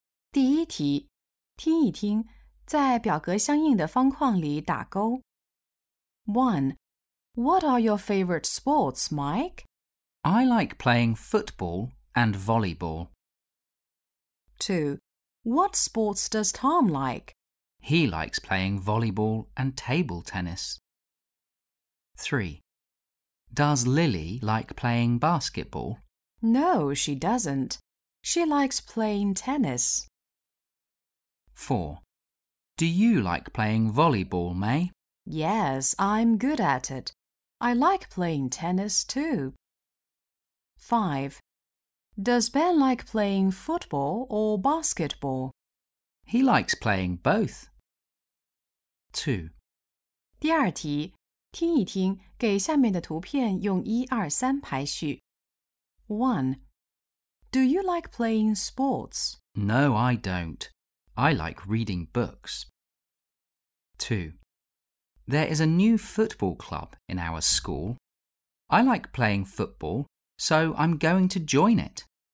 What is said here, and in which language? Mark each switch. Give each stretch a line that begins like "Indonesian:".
Chinese: 第一题，听一听，在表格相应的方框里打勾。
English: 1. What are your favorite sports, Mike? I like playing football and volleyball. 2. What sports does Tom like? He likes playing volleyball and table tennis. 3. Does Lily like playing basketball? No, she doesn't. She likes playing tennis. 4. Do you like playing volleyball, May? Yes, I'm good at it. I like playing tennis too. 5. Does Ben like playing football or basketball? He likes playing both. 2.
Chinese: 第二题，听一听，给下面的图片用一二三排序。
English: 1. Do you like playing sports? No, I don't. I like reading books. 2. There is a new football club in our school. I like playing football, so I'm going to join it.